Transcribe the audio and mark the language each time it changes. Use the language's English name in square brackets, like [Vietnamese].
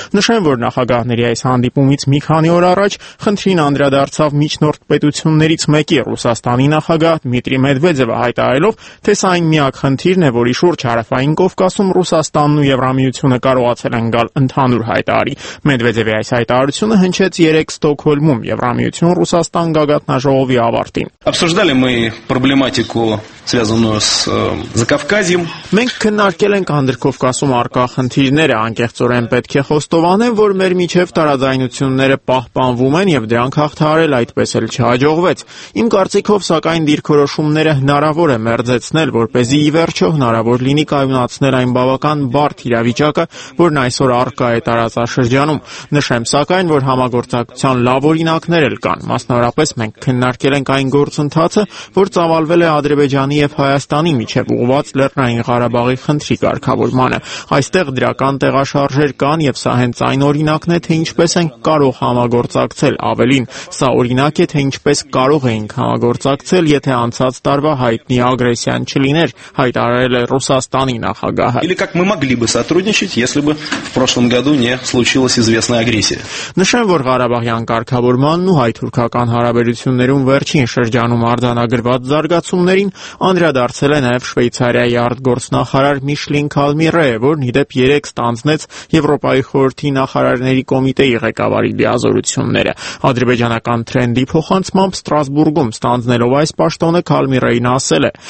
[Armenian] Նշեմ, որ նախագահների այս հանդիպումից մի քանի օր առաջ խնդրին անդրադարձավ միջնորդ պետություններից մեկի Ռուսաստանի նախագահ Դմիտրի Մեդվեդևը, հայտարարելով, թե սա այն միակ խնդիրն է, որի շուրջ Հարավային Կովկասում Ռուսաստանն ու Եվրամիությունը կարողացել են գալ ընդհանուր հայտարարի։ Մեդվեդևի այս հայտարարությունը հնչեց երեկ Ստոկհոլմում Եվրամիություն Ռուսաստան գագաթնաժողովի ավարտին։ [Russian] Обсуждали мы проблематику, связанную с Закавказьем. [Armenian] Մենք քննարկել ենք Անդրկովկասում առկա խնդիրները, անկեղծորեն պետք է խոստովանեմ, որ մեր միջև տարաձայնությունները պահպանվում են և դրանք հաղթահարել այդպես էլ չհաջողվեց։ Իմ կարծիքով, սակայն, դիրքորոշումները հնարավոր է մերձեցնել, որպեսզի ի վերջո հնարավոր լինի կայունացնել այն բավական բարդ իրավիճակը, որն այսօր առկա է տարածաշրջանում։ Նշեմ, սակայն, որ համագործակցության լավ օրինակներ էլ կան, մասնավորապես մենք քննարկել ենք այն գործընթացը, որ ծավալվել է Ադրբեջանի և Հայաստանի միջև ուղված Լեռնային Ղարաբաղի խնդրի կարգավորմանը։ Այստեղ դրական տեղաշարժեր կան, և սա հենց այն օրինակն է, թե ինչպես ենք կարող համագործակցել։ Ավելին, սա օրինակ է, թե ինչպես կարող էինք համագործակցել, եթե անցած տարվա հայտնի ագրեսիան չլիներ, հայտարարել է Ռուսաստանի նախագահը։ [Russian] Или как мы могли бы сотрудничать, если бы в прошлом году не случилась известная агрессия. [Armenian] Նշեմ, որ Ղարաբաղյան կարգավորմանն ու հայ-թուրքական հարաբերություններում վերջին շրջանում արձանագրված զարգացումներին անդրադարձել է նաև Շվեյցարիայի արտգործնախարար Միշլին Քալմիրեը, որն ի դեպ երեք ստանձնեց Եվրոպայի խորհրդի նախարարների կոմիտեի ղեկավարի դիազորությունները։ Ադրբեջանական տրենդի փոխանցմամբ Ստրասբուրգում ստանձնելով այս պաշտոնը Քալմիրեին ասել է.